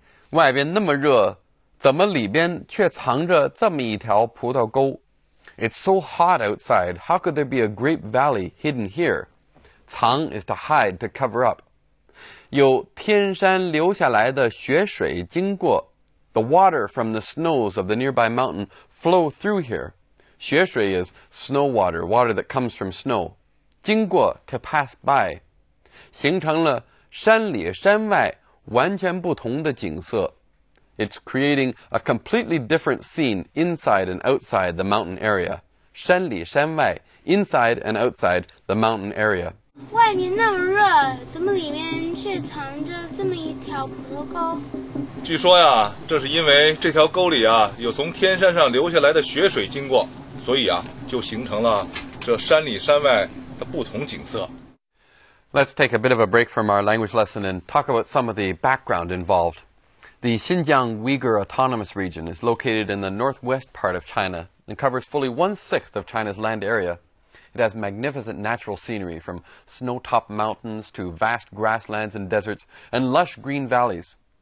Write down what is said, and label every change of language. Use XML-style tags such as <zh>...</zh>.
<zh>外边那么热，怎么里边却藏着这么一条葡萄沟？</zh> <en>It's so hot outside, how could there be a grape valley hidden here?</en> <zh>藏</zh> <en>is to hide, to cover up.</en> <zh>有天山流下来的雪水经过。</zh> <en>The water from the snows of the nearby mountain flow through here.</en> <zh>雪水</zh> <en>is snow water, water that comes from snow.</en> <zh>经过</zh> <en>to pass by.</en> <zh>形成了山里山外完全不同的景色。</zh> <en>It's creating a completely different scene inside and outside the mountain area.</en> <zh>山里山外</zh> <en>inside and outside the mountain area.</en> <zh>外面那么热，怎么里面却藏着这么一条葡萄沟？据说呀，这是因为这条沟里啊，有从天山上流下来的雪水经过，所以啊，就形成了这山里山外的不同景色。</zh> <en>Let's take a bit of a break from our language lesson and talk about some of the background involved. The Xinjiang Uyghur Autonomous Region is located in the northwest part of China and covers fully 1/6 of China's land area. It has magnificent natural scenery from snow-topped mountains to vast grasslands and deserts and lush green valleys.</en>